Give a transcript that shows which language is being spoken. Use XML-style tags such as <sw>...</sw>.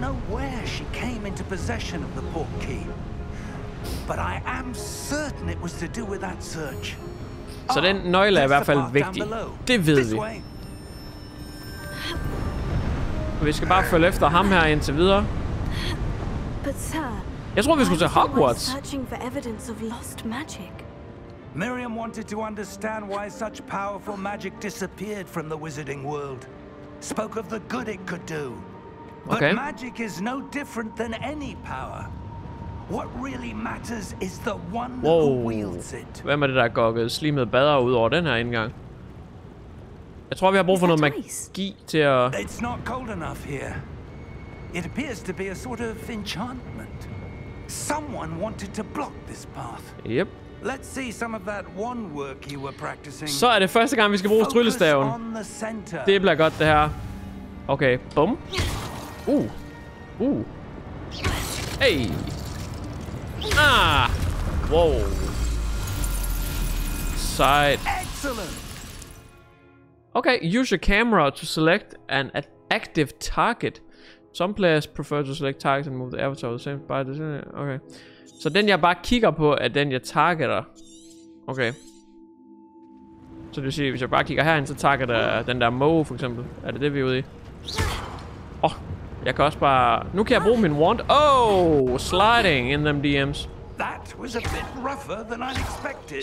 <en>I don't know where she came into possession of the portkey, but I am certain it was to do with that search.</en> <da>Så den nøgle er i hvert fald vigtig. Det ved vi. Vi skal bare følge efter ham her indtil videre.</da> <en>But sir,</en> <da>jeg tror, vi skulle til Hogwarts.</da> <en>Searching for evidence of lost magic. Miriam wanted to understand why such powerful magic disappeared from the wizarding world. Spoke of the good it could do. Okay. But magic is no different than any power. What really matters is the one who wields it.</en> <da>Hvem er det, der gokkede slimet badere ud over den her indgang? Jeg tror, vi har brug for noget magi til at...</da> <en>It's not cold enough here. It appears to be a sort of enchantment. Someone wanted to block this path. Yep. Let's see some of that one work you were practicing.</en> <da>Så er det første gang, vi skal bruge tryllestaven. Det bliver godt, det her. Okay, bum. Hey. Ah. Wow. Sejt.</da> <en>Excellent. Okay, use your camera to select an active target. Some players prefer to select targets and move the avatar the same by the same. Okay.</en> <da>Så den jeg bare kigger på, er den jeg targeter. Okay. Så det vil sige, hvis jeg bare kigger herhen, så targeter den der Moe for eksempel. Er det det vi er ude i? Jeg kan også bare... Nu kan jeg bruge min wand.</da> <en>Sliding in them DMs. That was a bit rougher than I expected.</en>